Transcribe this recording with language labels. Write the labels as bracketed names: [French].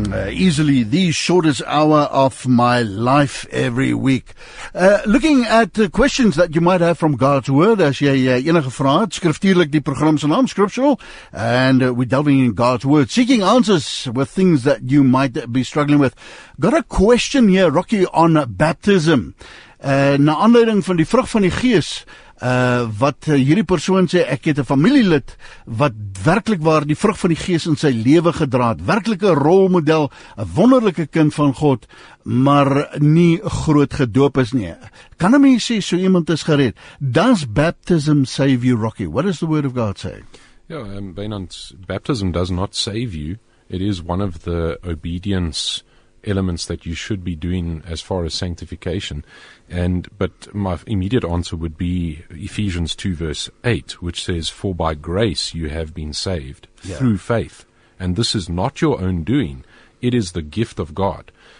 [English] Easily the shortest hour of my life every week. Looking at the questions that you might have from God's Word, [Afrikaans] as jy enige vrae het, skriftuurlik die program se naam, [English] Scriptural, and we're delving in God's Word, seeking answers with things that you might be struggling with. Got a question here, Rocky, on baptism. [Afrikaans] Na aanleiding van die vrug van die gees, wat hierdie persoon sê, ek het 'n familielid wat werklik waar die vrug van die gees in sy lewe gedra het, werklik 'n rolmodel, 'n wonderlike kind van God, maar nie groot gedoop is nie. Kan 'n mens sê so iemand is gered? [English] Does baptism save you, Rocky? What does the word of God say? Yeah, Benant, baptism does not save you. It is one of the obedience elements that you should be doing as far as sanctification. And but my immediate answer would be Ephesians 2:8, which says, for by grace you have been saved through faith, and this is not your own doing, it is the gift of God.